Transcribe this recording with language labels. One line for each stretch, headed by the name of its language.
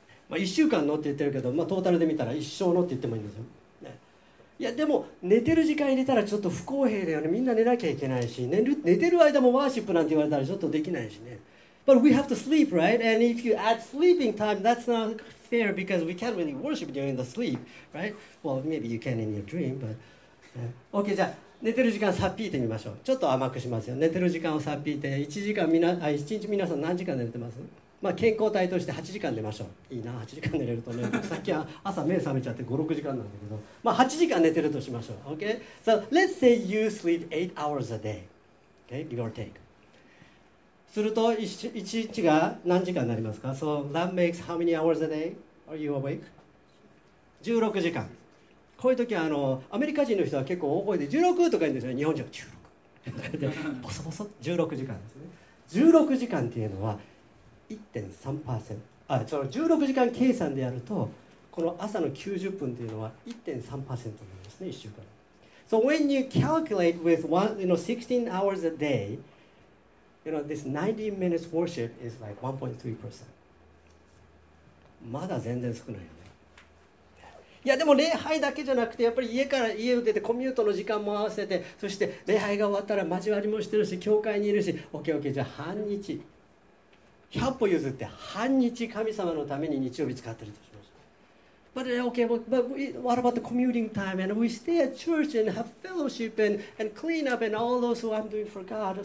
Japanese: まあ1週間のって言ってるけど、まあ、トータルで見たら一生のって言ってもいいんですよ、ね、いやでも寝てる時間入れたらちょっと不公平だよね。みんな寝なきゃいけないし、寝てる間もワーシップなんて言われたらちょっとできないしね。
English: But we have to sleep, right? And if you add sleeping time, that's not fair because we can't really worship during the sleep, right? Well, maybe you can in your dream, but、 yeah.
Japanese: OK, じゃあ寝てる時間さっぴいてみましょう。ちょっと甘くしますよ。寝てる時間をさっぴいて1日皆さん何時間寝てます？まあ、健康体として8時間寝ましょう。いいな、8時間寝れるとね。さっきは朝目覚めちゃって5、6時間なんだけど、まあ、8時間寝てるとしましょう。
English: OK? So, let's say you sleep 8 hours a day. Okay? Give or take.
Japanese: すると 1日が何時間になりますか?
English: So, that makes how many hours a day are you awake?
Japanese: 16時間。こういう時はアメリカ人の人は結構大声で16とか言うんですよ。日本人は16。で、ボソボソ16時間ですね。16時間っていうのは、1.3%、 16時間計算でやるとこの朝の90分というのは 1.3% なんですね、1週間。
English: So when you calculate with one, you know, 16 hours a day, you know, this 90 minutes worship is like 1.3%。
Japanese: まだ全然少ないよね。いやでも礼拝だけじゃなくて、やっぱり家を出てコミュートの時間も合わせて、そして礼拝が終わったら交わりもしてるし、教会にいるし、 OKOK、okay, okay, じゃあ半日、100歩譲って半日神様のために日曜日使ってるとしましょう。
English: But okay, but what about the commuting time? And we stay at church and have fellowship and clean up and all those who I'm doing for God.